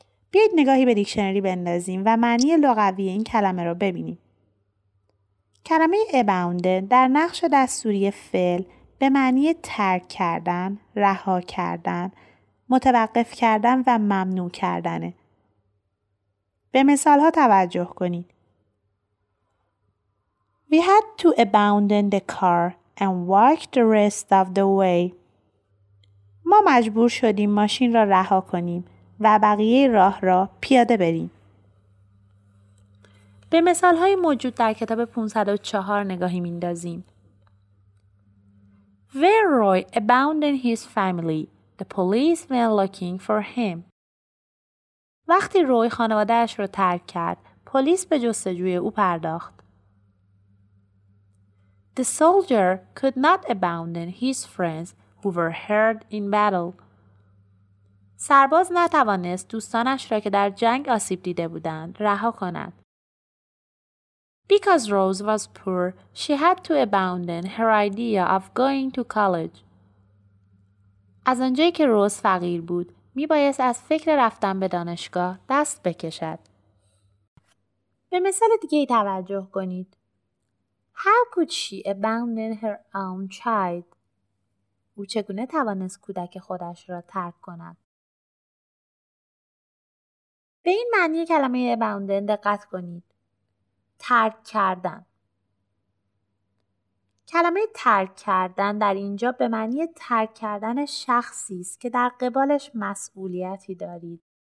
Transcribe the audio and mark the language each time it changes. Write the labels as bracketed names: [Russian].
[Persian] بیایید نگاهی به دیکشنری بندازیم و معنی لغوی این کلمه رو ببینیم. کلمه abounding در نقش دستوری فعل به معنی ترک کردن، رها کردن، متوقف کردن و ممنوع کردنه. به مثال ها توجه کنید. [English] We had to abandon the car and walk the rest of the way. [Persian] ما مجبور شدیم ماشین را رها کنیم و بقیه راه را پیاده بریم. به مثال های موجود در کتاب 504 نگاهی میندازیم. [English] Where Roy abandoned his family, the police were looking for him. [Persian] وقتی روی خانواده‌اش را ترک کرد، پلیس به جستجوی او پرداخت. [English] The soldier could not abandon his friends who were hurt in battle. [Persian] سرباز نتوانست دوستانش را که در جنگ آسیب دیده بودند، رها کند. [English] Because Rose was poor, she had to abandon her idea of going to college. [Persian] از آنجایی که روز فقیر بود، میبایست از فکر رفتن به دانشگاه دست بکشد. به مثال دیگه ای توجه کنید. [English] How could she abandon her own child? [Persian] او چگونه توانست کودک خودش را ترک کند؟ به این معنی کلمه abandon دقت کنید. ترک کردن. کلمه ترک کردن در اینجا به معنی ترک کردن شخصی است که در قبالش مسئولیتی دارید.